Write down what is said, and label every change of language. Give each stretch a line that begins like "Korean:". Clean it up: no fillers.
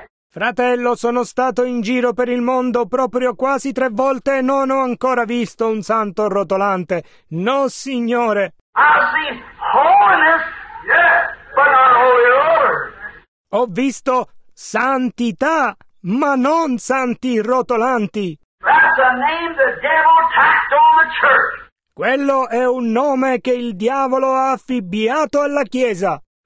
Italian: Fratello, sono stato in giro per il mondo proprio quasi tre volte e non ho ancora visto un santo rotolante. No, signore.
English: I've seen holiness, yes, but not holy roller.
Italian: Ho visto santità, ma non santi rotolanti.
English: That's a name the devil tacked on the church.
Italian: Quello è un nome che il diavolo ha affibbiato alla chiesa.